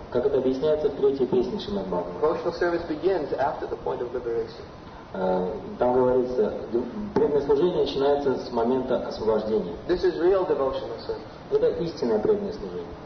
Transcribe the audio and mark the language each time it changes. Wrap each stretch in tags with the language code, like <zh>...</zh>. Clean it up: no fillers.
<ru>Как это объясняется в третьей песне Шримад Бхагаватам.</ru> <en>Devotional service begins after the point of liberation.</en> <ru>Там говорится, преданное служение начинается с момента освобождения.</ru> <en>This is real devotional service.</en> <ru>Это истинное преданное служение.</ru>